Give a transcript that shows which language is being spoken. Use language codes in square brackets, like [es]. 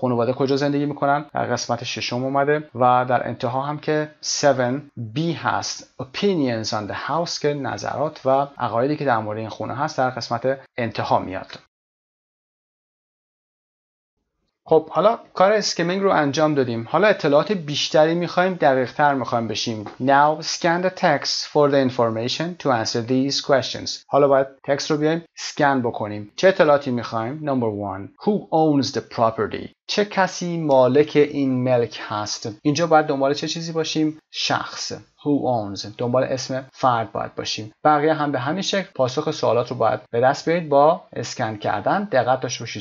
[fa] خانواده کجا زندگی میکنن؟ در قسمت ششم اومده. و در انتها هم که 7 B هست. [en] Opinions on the house [fa] که نظرات و عقایدی که در مورد این خونه هست در قسمت انتها میاد. خب حالا کار اسکیمینگ رو انجام دادیم. حالا اطلاعات بیشتری می‌خوایم، دقیق‌تر می‌خوایم بشیم. [en] Now scan the text for the information to answer these questions. [fa] حالا باید تکست رو بیایم سکن بکنیم. چه اطلاعاتی می‌خوایم؟ [en] Number 1. Who owns the property? [fa] چه کسی مالک این ملک هست؟ اینجا باید دنبال چه چیزی باشیم؟ شخص. [en] Who owns. [fa] دنبال اسم فرد باید باشیم. بقیه هم به همین شکل پاسخ سوالات رو باید به دست بیارید با اسکن کردن. دقت داشته باشید.